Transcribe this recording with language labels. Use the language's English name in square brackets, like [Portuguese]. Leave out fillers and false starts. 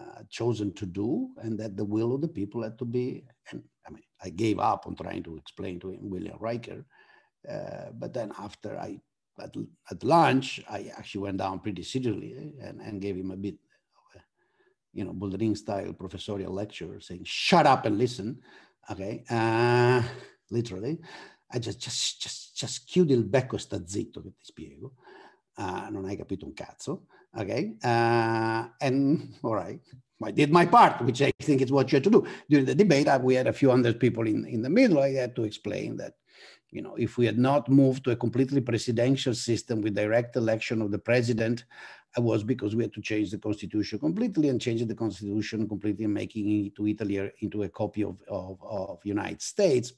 [English] chosen to do, and that the will of the people had to be, and I mean, I gave up on trying to explain to him William Riker, but then after I, at lunch, I actually went down pretty seriously and gave him a bit of a, you know, Boldrin style professorial lecture saying, shut up and listen. Okay, literally, I just [Italian] chiudi il becco sta zitto che ti spiego. Non hai capito un cazzo. [English] Okay, and all right, I did my part, which I think is what you had to do. During the debate, we had a few hundred people in the middle. I had to explain that, you know, if we had not moved to a completely presidential system with direct election of the president, it was because we had to change the constitution completely and changing the constitution completely and making it to Italy into a copy of United States.